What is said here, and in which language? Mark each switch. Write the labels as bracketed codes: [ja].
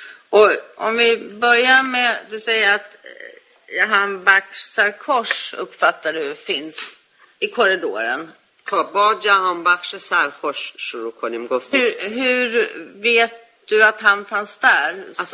[sv] Och om vi börjar med, du säger att han Baksarkosh uppfattar du finns i korridoren. [fa] با جهان بخش سرخوش شروع کنیم گفتی. [sv] Hur vet du att han fanns där?